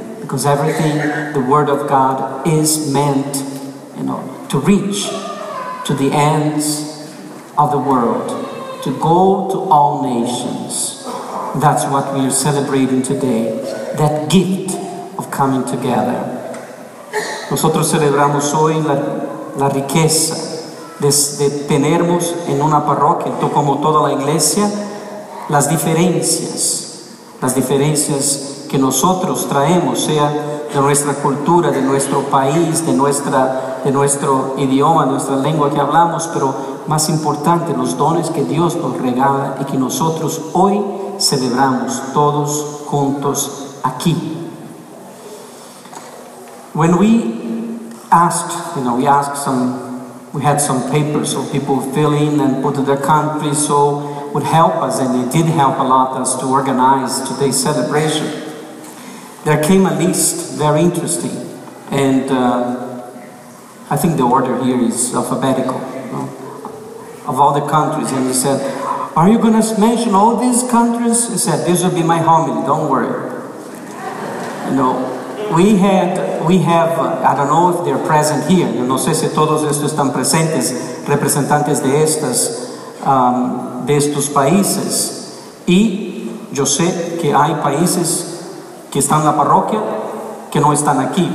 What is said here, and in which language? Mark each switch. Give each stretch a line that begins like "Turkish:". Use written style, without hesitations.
English: Because everything, the word of God is meant, you know, to reach to the ends of the world, to go to all nations. That's what we are celebrating today, that gift of coming together.
Spanish: Nosotros celebramos hoy la riqueza de tenermos en una parroquia, como toda la iglesia, las diferencias que nosotros traemos, sea de nuestra cultura, de nuestro país, de nuestro idioma, nuestra lengua que hablamos, pero más importante, los dones que Dios nos regala y que nosotros hoy celebramos todos juntos aquí.
English: When we asked, you know, we had some papers so people fill in and put in their country, so would help us, and it did help a lot us to organize today's celebration. There came a list, very interesting, and I think the order here is alphabetical, you know, of all the countries, and we said, are you going to mention all these countries? He said, this will be my homily, don't worry. You know, I don't know if they're present here.
Spanish: Yo no sé si todos estos están presentes, representantes de estos países. Y yo sé que hay países que están en la parroquia que no están aquí.